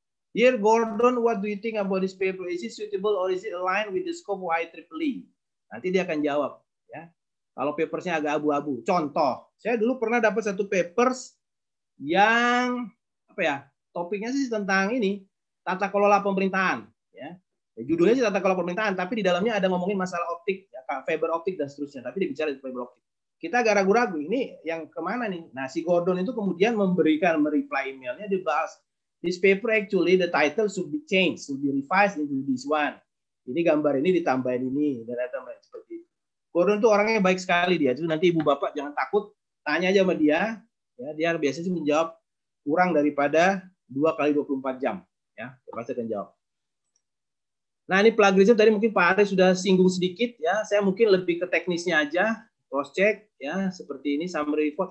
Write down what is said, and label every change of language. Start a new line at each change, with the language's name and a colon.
English: Dear Gordon, what do you think about this paper? Is it suitable or is it aligned with the scope of IEEE?
Indonesian: Nanti dia akan jawab. Ya. Kalau papersnya agak abu-abu. Contoh, saya dulu pernah dapat satu papers yang apa ya? Topiknya sih tentang ini tata kelola pemerintahan. Ya, judulnya sih tata kelola pemerintahan, tapi di dalamnya ada ngomongin masalah optik, ya, fiber optik dan seterusnya. Tapi dia bicara fiber optik. Kita agak ragu-ragu, ini yang kemana nih? Nah, si Gordon itu kemudian memberikan, mereply emailnya, dibahas,
English: This paper actually the title should be changed, should be revised into this one.
Indonesian: Ini gambar ini ditambahin ini dan ditambahin seperti itu. Gordon tuh orangnya baik sekali dia. Jadi nanti ibu bapak jangan takut, tanya aja sama dia. Ya, dia biasanya menjawab kurang daripada 2x24 jam. Ya, pasti akan jawab. Nah, ini plagiarisme tadi mungkin Pak Ari sudah singgung sedikit ya. Saya mungkin lebih ke teknisnya aja, cross check ya, seperti ini summary report.